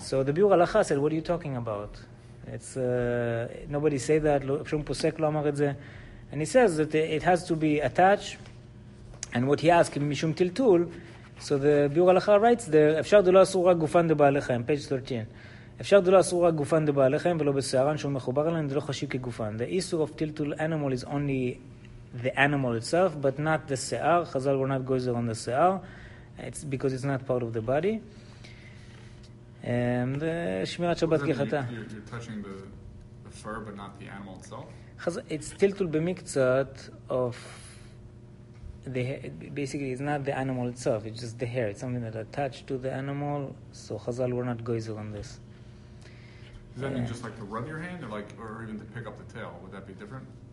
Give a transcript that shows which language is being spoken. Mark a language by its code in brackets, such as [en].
[en] So the Biur Halacha said, what are you talking about? It's nobody say that. Shum posek lo amar et ze. And he says that it has to be attached. And what he asked, mishum tiltul. So the Biur Halacha writes there, Efshar de lo asura gufan de ba'alechem, page 13. [he] אפשר דלא אסור רק גופן דבעליכם ולא בשערן שהוא מחובר אליהם דלא חשיב כגופן. [en] The issue of tiltul animal is only the animal itself, but not the שיער. חזל were not gozer on the שיער. It's because it's not part of the body. And שמירת שבת כחתה. You're touching the fur, but not the animal itself? It's tiltul במקצת of the hair. Basically, it's not the animal itself. It's just the hair. It's something that attached to the animal. So חזל were not gozer on this. Does that mean just like to rub your hand, or like, or even to pick up the tail? Would that be different?